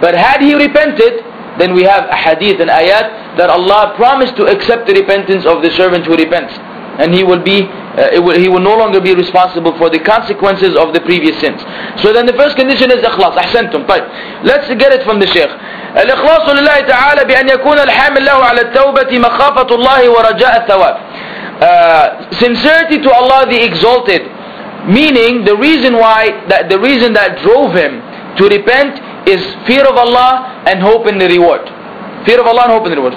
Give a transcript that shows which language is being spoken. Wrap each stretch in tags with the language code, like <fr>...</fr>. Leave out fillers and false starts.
<en>But had he repented, then we have a hadith and ayat that Allah promised to accept the repentance of the servant who repents. And he will no longer be responsible for the consequences of the previous sins. So then the first condition is ikhlas. Ahsantum.</en> <ar>طيب.</ar> <en>Let's get it from the Shaykh.</en> <ar>الإخلاص لله تعالى بأن يكون الحامل له على التوبة مخافة الله ورجاء الثواب.</ar> <en>Sincerity to Allah the Exalted. Meaning the reason that drove him to repent is fear of Allah and hope in the reward. Fear of Allah and hope in the reward.</en>